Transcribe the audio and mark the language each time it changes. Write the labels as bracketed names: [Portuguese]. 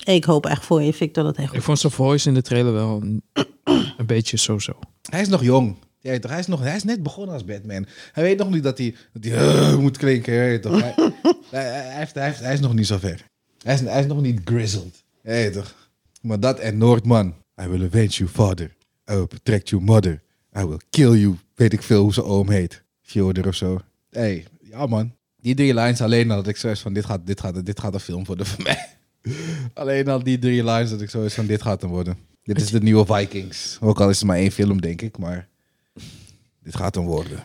[Dutch] Ik hoop echt voor je, Victor, dat hij goed is. Ik vond zijn voice in de trailer wel een beetje zo-zo. Hij is nog jong. Ja, toch? Hij is net begonnen als Batman. Hij weet nog niet dat hij moet klinken. Ja, toch? Hij is nog niet zo ver. Hij is nog niet grizzled. Ja, toch? Maar dat en Noordman. [English] I will avenge you, father. I will protect you, mother. I will kill you. [Dutch] Weet ik veel hoe zijn oom heet. Fjodor of zo. Hé, hey, ja man. Die drie lines alleen al dat ik zoiets van dit gaat een film worden voor mij. Alleen al die drie lines dat ik zoiets van dit gaat hem worden. Dit is de nieuwe Vikings. Ook al is het maar één film, denk ik, maar dit gaat hem worden.